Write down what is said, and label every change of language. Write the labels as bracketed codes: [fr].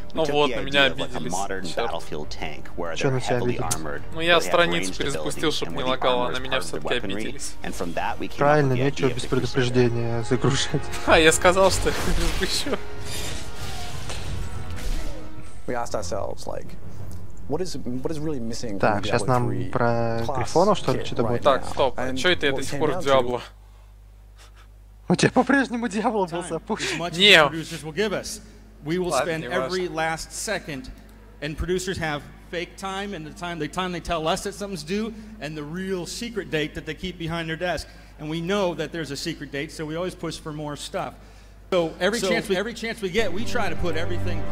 [en] We took the idea of like a modern battlefield tank, where they're heavily armored, they have range stability, and where the armor is part of the weaponry. And from that we came up with the idea of the Crusader. [ru] А я сказал, что запущу. [en] We asked ourselves, like, What is really missing? [ru] Так, сейчас нам про грифонов, что ли, что-то будет? Так, стоп, а чё это я до сих пор в Диабло? У тебя по-прежнему Диабло был запущен? Не! Ладно, не важно. [en] And producers have fake time, and the time they tell us that something's due, and the real secret date that they keep behind their desk. And we know that there's a secret date, so we always push for more stuff. So every chance we get, we try to put everything.